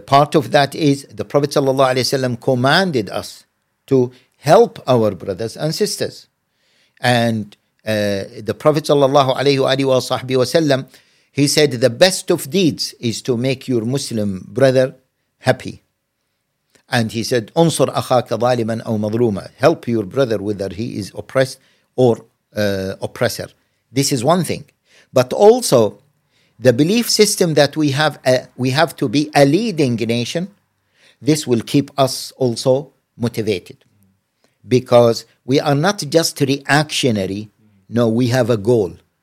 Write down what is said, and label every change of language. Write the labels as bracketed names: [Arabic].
[English] Part of that is the Prophet sallallahu alaihi wa sallam commanded us to help our brothers and sisters. And the Prophet sallallahu alaihi wa sahbihi wa sallam, he said, the best of deeds is to make your Muslim brother happy. And he said, [Arabic] أُنصر أخاك ظالماً أو مظلوماً. [English] Help your brother whether he is oppressed or oppressor. This is one thing. But also, the belief system that we have to be a leading nation, this will keep us also motivated. Because we are not just reactionary. No, we have a goal.